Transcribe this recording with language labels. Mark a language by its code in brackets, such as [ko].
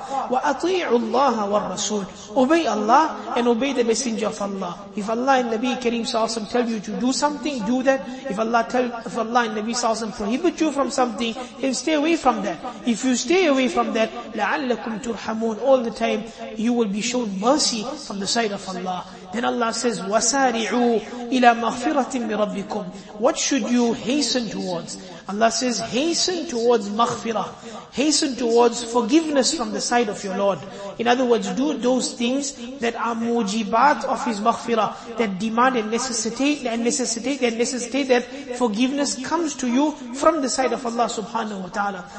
[ar] وَأَطِيعُوا اللَّهَ وَالرَّسُولَ. [en] Obey Allah and obey the messenger of Allah. If Allah and Nabi Kareem sallallahu alayhi wa sallam tell you to do something, do that. If Allah and Nabi sallallahu alayhi wa sallam prohibit you from something, then stay away from that. If you stay away from that, [ar] لَعَلَّكُمْ تُرْحَمُونَ. [en] All the time, you will be shown mercy from the side of Allah. Then Allah says, [ar] وَسَارِعُوا إِلَى مَغْفِرَةٍ مِّن رَبِّكُمْ. [en] What should you hasten towards? Allah says, hasten towards maghfirah. Hasten towards forgiveness from the side of your Lord. In other words, do those things that are mujibat of His maghfirah, that demand and necessitate that forgiveness comes to you from the side of Allah subhanahu wa ta'ala.